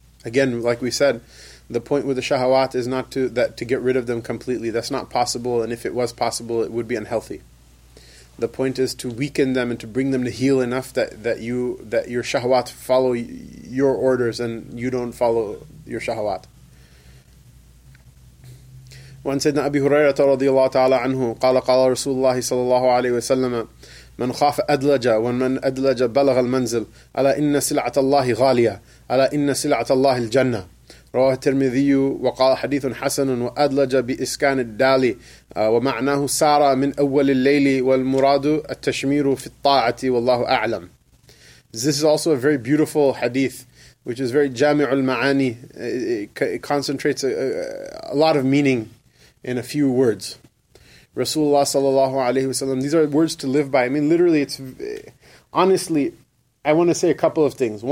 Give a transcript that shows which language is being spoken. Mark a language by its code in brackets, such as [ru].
[en] Again, like we said, the point with the shahawat is not to get rid of them completely. That's not possible, and if it was possible, it would be unhealthy. The point is to weaken them and to bring them to heal enough that your shahwat follow your orders and you don't follow your shahwat. [ar] وعن سيدنا أبي هريرة رضي الله تعالى عنه قال قال رسول الله صلى الله عليه وسلم من خاف أدلج ومن أدلج بلغ المنزل ألا إن سلعة الله غالية ألا إن سلعة الله الجنة رواه الترمذي وقال حديث حسن وأدلج بإسكان الدال ومعناه سارة من أول الليل والمراد التشمير في الطاعة والله أعلم. [en] This is also a very beautiful hadith, which is very jami' al-ma'ani. It concentrates a lot of meaning in a few words. Rasulullah sallallahu alayhi wa sallam, these are words to live by. I mean, literally, it's honestly, I want to say a couple of things.